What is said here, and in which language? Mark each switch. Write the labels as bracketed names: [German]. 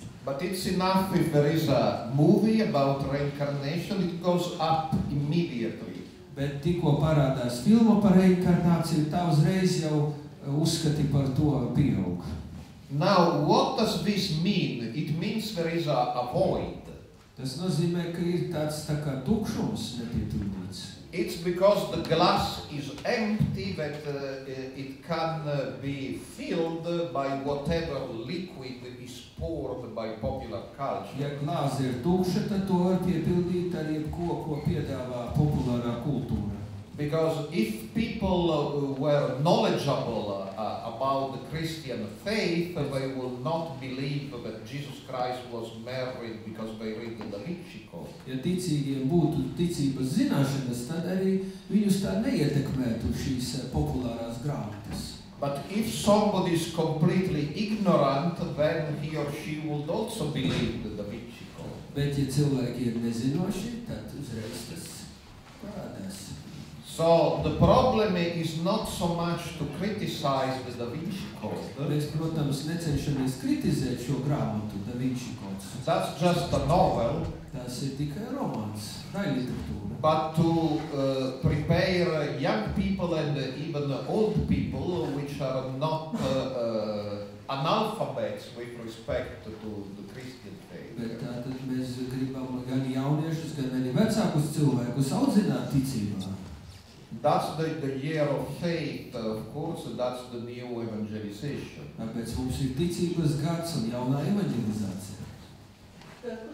[English] But it's enough if there is a movie about reincarnation, it goes up immediately. [Latvian] Bet tikko parādās filma par reinkarnāciju, tā uzreiz jau uzskati par to pieaug. [English] Now, what does this mean? It means there is a void. [Latvian] Tas nozīmē, ka ir tāds tā kā tukšums nepietrūdīts. [English] It's because the glass is empty that it can be filled by whatever liquid is poured by popular culture. [Latvian] Ja glāze ir tukša, tad to var piepildīt ar jebko, ko piedāvā populārā kultūra. [English] Because if people were knowledgeable about the Christian faith, they will not believe that Jesus Christ was married because they read the Levitical. [Latvian] Ja ticīgiem būtu ticības zināšanas, tad arī viņus tā neietekmētu šīs populārās grāmatas. [English] But if somebody is completely ignorant, then he or she would also believe the Levitical. [Latvian] Bet ja cilvēki ir nezinoši, tad uzreiz tas parādās. [English] So the problem is not so much to criticize the Da Vinci Code. [Latvian] Mēs, protams, necenšamies kritizēt šo grāmatu Da Vinci Code. [English] That's just a novel. [Latvian] Tas ir tikai romāns, tai literatūra. [English] But to prepare young people and even old people which are not analphabets with respect to the Christian faith. [Latvian] Bet tātad mēs gribam gan jauniešus, gan arī vecākus cilvēkus audzināt ticībā. [English] That's the year of faith, of course, that's the new evangelization. [Latvian] Tāpēc mums ir ticības gads un jaunā evangelizācija.